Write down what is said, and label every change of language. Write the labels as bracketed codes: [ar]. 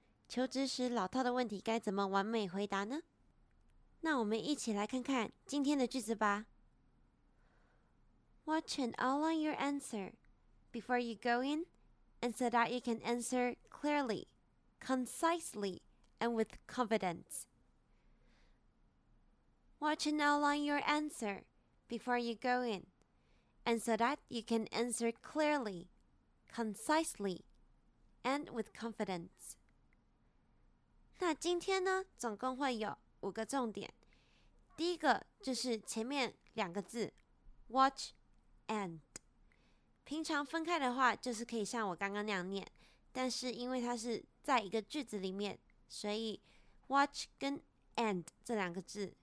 [zh] 求职时老套的问题该怎么完美回答呢？那我们一起来看看今天的句子吧。 [en] Watch and outline your answer before you go in, and so that you can answer clearly, concisely, and with confidence. Watch and outline your answer before you go in, and so that you can answer clearly, concisely, and with confidence. [zh] 那今天呢，总共会有五个重点。第一个就是前面两个字 ，watch and。平常分开的话，就是可以像我刚刚那样念，但是因为它是在一个句子里面，所以 watch 跟 and 这两个字。